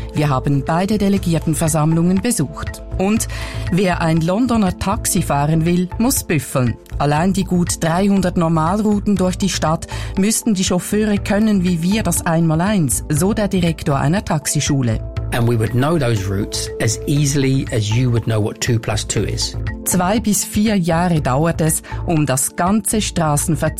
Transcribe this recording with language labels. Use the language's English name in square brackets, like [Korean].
[German] Wir haben beide Delegiertenversammlungen besucht. Und wer ein Londoner Taxi fahren will, muss büffeln. Allein die gut 300 Normalrouten durch die Stadt müssten die Chauffeure können wie wir das 1x1, so der Direktor einer Taxischule. [English] And we would know those routes as easily as you would know what 2+2 is. [German] 2 bis 4 Jahre dauert es, um das ganze Straßenverzeichnis